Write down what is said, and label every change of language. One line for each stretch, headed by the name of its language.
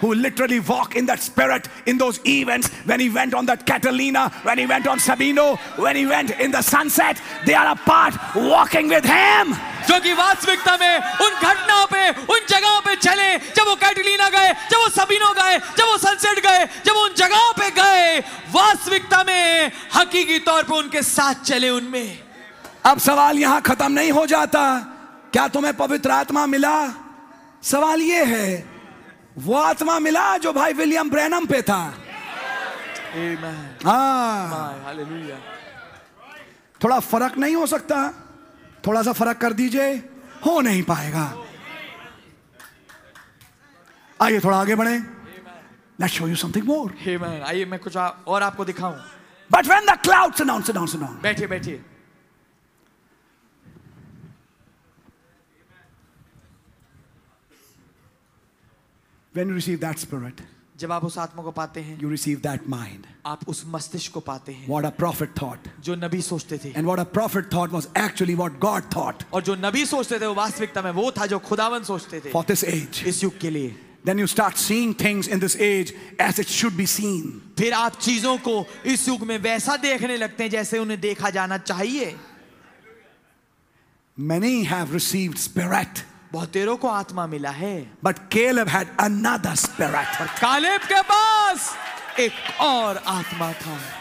English: Who literally walk in that spirit in those events when he went on that Catalina, when he went on Sabino, when he went in the sunset? They are a part walking with him.
Hindi: जो कि वास्तविकता में उन घटनाओं पे, उन जगहों पे चले, जब वो कैटलीना गए, जब वो सबीनो गए, जब वो सनसेट गए, जब उन जगहों पे गए, वास्तविकता में हकीकी तौर पे उनके साथ चले उनमें. अब सवाल यहां खत्म नहीं हो जाता, क्या तुम्हें पवित्र आत्मा मिला? सवाल ये है, वो आत्मा मिला जो भाई विलियम ब्रैनम पे था? हालेलुया. थोड़ा फर्क नहीं हो सकता? थोड़ा सा फर्क कर दीजिए. हो नहीं पाएगा. आइए थोड़ा आगे बढ़े.
English: Let's show you something more. Amen.
Hindi: आइए मैं कुछ और आपको दिखाऊं.
English: But when the clouds announce, announce, announce.
Hindi: बैठिए बैठिए.
English: When you receive that spirit,
Hindi: जब आप उस आत्मा को पाते हैं,
English: you receive that mind.
Hindi: आप उस मस्तिष्क को पाते हैं.
English: What a prophet thought.
Hindi: जो नबी सोचते थे.
English: And what a prophet thought was actually what God thought.
Hindi: और जो नबी सोचते थे वो वास्तविकता में वो था जो खुदावन सोचते थे.
English: For this age.
Hindi: इस युग के लिए.
English: Then you start seeing things in this age as it should be seen.
Hindi: फिर आप चीजों को इस युग में वैसा देखने लगते हैं जैसे उन्हें देखा जाना चाहिए.
English: Many have received spirit.
Hindi: बहुतेरों को आत्मा मिला है.
English: But Caleb had another spirit.
Hindi: पर कालेब के पास एक और आत्मा था.